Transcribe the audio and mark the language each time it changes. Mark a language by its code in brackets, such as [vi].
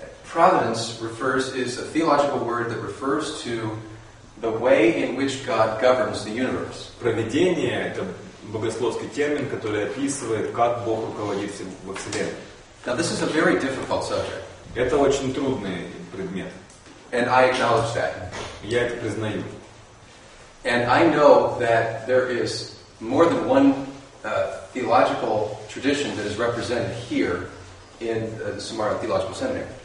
[en] Providence refers is a theological word that refers to the way in which God governs the universe. [ru] Провидение — это богословский термин, который описывает, как Бог руководит во Вселенной. [en] Now, this is a very difficult subject. [ru] Это очень трудный предмет. [en] And I acknowledge that. [ru] Я это признаю. [en] And I know that there is more than one theological tradition that is represented here in the Samara Theological Seminary.